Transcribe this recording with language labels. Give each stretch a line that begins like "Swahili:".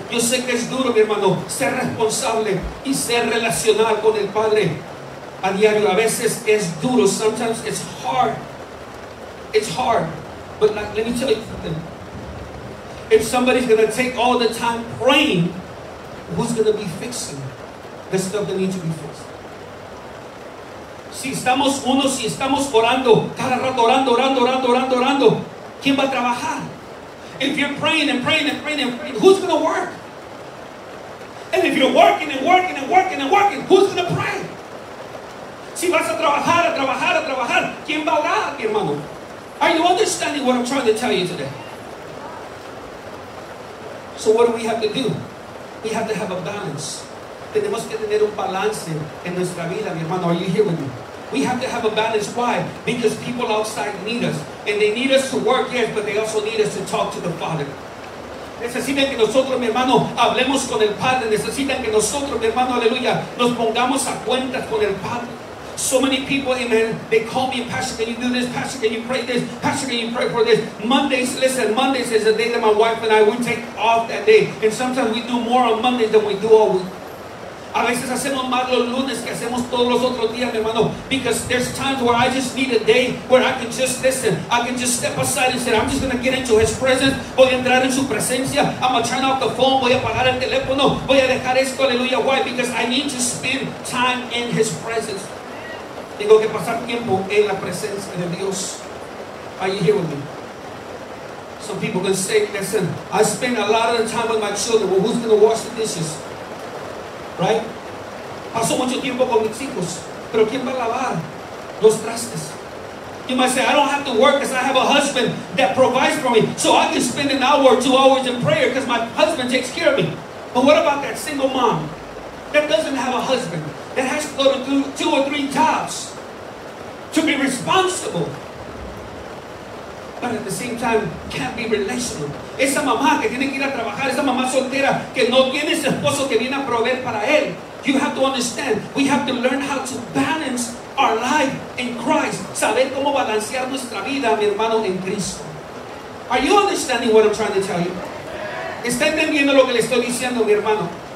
Spanish: Yo sé que es duro, mi hermano, ser responsable y ser relacional con el Padre a diario. A veces es duro.
English: Sometimes it's hard. It's hard. But like, let me tell you something. If somebody's going to take all the time praying, who's going to be fixing the stuff that needs to be fixed?
Spanish: Si estamos uno, si estamos orando, cada rato orando, orando, orando, orando, orando, ¿quién va a trabajar?
English: If you're praying and praying and praying and praying, who's going to work? And if you're working and working and working and working, who's going to pray?
Spanish: Si vas a trabajar, a trabajar, a trabajar, ¿quién va a orar, hermano?
English: Are you understanding what I'm trying to tell you today? So what do we have to do? We have to have a balance.
Spanish: Tenemos que tener un balance en nuestra vida, mi hermano.
English: Are you here with me? We have to have a balance. Why? Because people outside need us. And they need us to work, yes, but they also need us to talk to the Father.
Spanish: Necesitan que nosotros, mi hermano, hablemos con el Padre. Necesitan que nosotros, mi hermano, aleluya, nos pongamos a cuentas con el Padre.
English: So many people, amen, they call me, Pastor, can you do this? Pastor, can you pray this? Pastor, can you pray for this? Mondays, listen, Mondays is the day that my wife and I, we take off that day. And sometimes we do more on Mondays than we do all week.
Spanish: A veces hacemos más los lunes que hacemos todos los otros días, mi hermano.
English: Because there's times where I just need a day where I can just listen. I can just step aside and say, I'm just going to get into His presence.
Spanish: Voy a entrar en su presencia.
English: I'm going to turn off the phone.
Spanish: Voy a apagar el teléfono. Voy a dejar esto, aleluya.
English: Why? Because I need to spend time in His presence.
Spanish: Tengo que pasar tiempo en la presencia de Dios.
English: Are you here with me? Some people can say, listen, I spend a lot of time with my children. Well, who's going to wash the dishes? Right?
Spanish: Paso mucho tiempo con mis hijos. Pero ¿quién va a lavar los trastes?
English: You might say, I don't have to work because I have a husband that provides for me. So I can spend an hour or 2 hours in prayer because my husband takes care of me. But what about that single mom that doesn't have a husband, that has to go to two or three jobs to be responsible, but at the same time can't be relational?
Spanish: Esa mamá que tiene que ir a trabajar, esa mamá soltera que no tiene ese esposo que viene a proveer para él.
English: You have to understand, we have to learn how to balance our life in Christ.
Spanish: Saber cómo balancear nuestra vida, mi hermano, en Cristo.
English: Are you understanding what I'm trying to tell you?
Spanish: ¿Está entendiendo lo que le estoy diciendo, mi hermano?